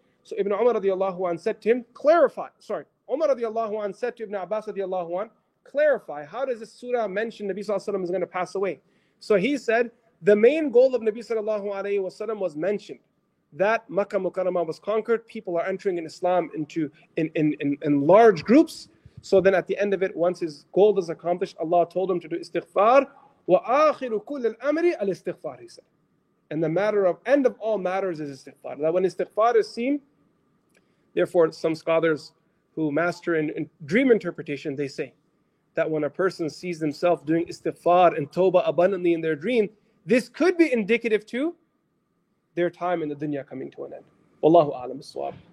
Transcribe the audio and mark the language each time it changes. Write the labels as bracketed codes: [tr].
[en] So Ibn Umar radiallahu anhu said to him, clarify. Sorry, Umar radiallahu anhu said to Ibn Abbas radiallahu anhu, clarify, how does this surah mention Nabi Sallallahu Alaihi Wasallam is going to pass away? So he said, the main goal of Nabi Sallallahu Alaihi Wasallam was mentioned. That Makkah Mukarramah was conquered, people are entering in Islam in large groups. So then at the end of it, once his goal is accomplished, Allah told him to do istighfar. [ar] وَآخِرُ كُلِّ الْأَمْرِ الْإِسْتِغْفَارِ, [en] he said. And the matter of end of all matters is istighfar. That when istighfar is seen, therefore some scholars who master in dream interpretation, they say that when a person sees themselves doing istighfar and tawbah abundantly in their dream, this could be indicative to their time in the dunya coming to an end. Wallahu a'lam bis-sawab.